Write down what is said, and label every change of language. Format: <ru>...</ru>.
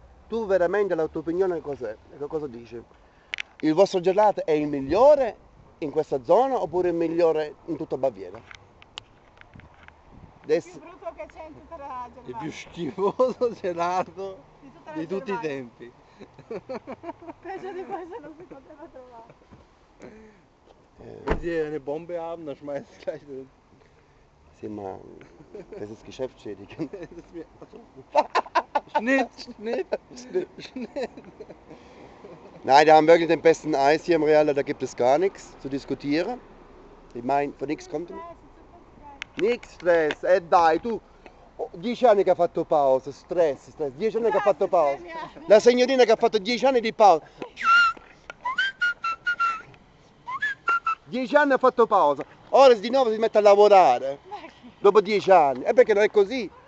<it>Tu veramente la tua opinione cos'è? Che cosa dici? Il vostro gelato è il migliore in questa zona oppure il migliore in tutta Baviera? Il più brutto che c'è in tutta la Germania. Il più schifoso gelato di tutti i tempi. Peggio di questo non si poteva trovare.</it> <de>Se eine Bombe haben, dann schmeißt es gleich drin.</de> <it>Sì, ma...</it> <de>Das ist geschäftsschädigend. Schnitt, Schnitt, Schnitt, Schnitt. Nein, die haben wirklich den besten Eis hier im Real, da gibt es gar nichts zu diskutieren. Ich meine, von nichts kommt...</de> <it>Nix stress, dai tu, 10 anni che ha fatto pausa, stress, 10 anni che ha fatto pausa, la signorina che ha fatto 10 anni di pausa, 10 anni ha fatto pausa, ora di nuovo si mette a lavorare, dopo 10 anni, e perché non è così?</it>